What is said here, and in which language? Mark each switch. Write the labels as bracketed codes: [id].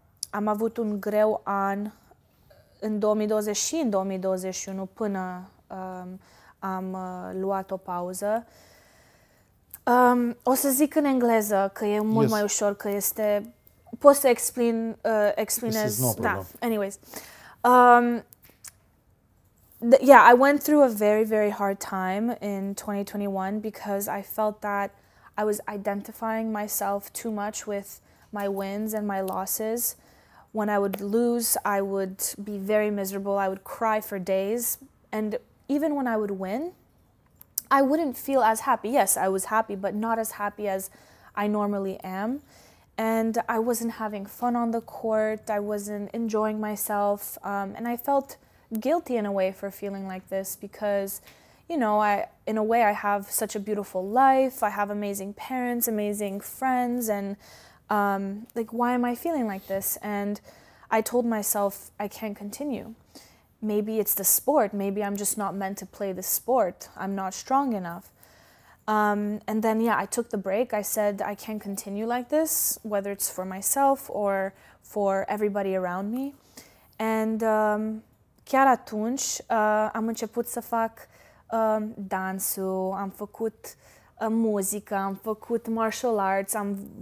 [ro] Am avut un greu an în 2020 și în 2021 până am luat o pauză. O să zic în engleză, că e mult mai ușor, că este... Poți să explin, explinez... [en] This is no problem. [ro] Da. [en] Anyways. Yeah, I went through a very, very hard time in 2021 because I felt that I was identifying myself too much with my wins and my losses. When I would lose, I would be very miserable. I would cry for days. And even when I would win, I wouldn't feel as happy. Yes, I was happy, but not as happy as I normally am. And I wasn't having fun on the court. I wasn't enjoying myself. And I felt guilty in a way for feeling like this because, you know, I have such a beautiful life. I have amazing parents, amazing friends, and why am I feeling like this? And I told myself I can't continue. Maybe it's the sport. Maybe I'm just not meant to play the sport. I'm not strong enough. And then, yeah, I took the break. I said I can't continue like this, whether it's for myself or for everybody around me. And [ro] chiar atunci am început să fac dansul, am făcut muzică, am făcut [en] martial arts, [ro] am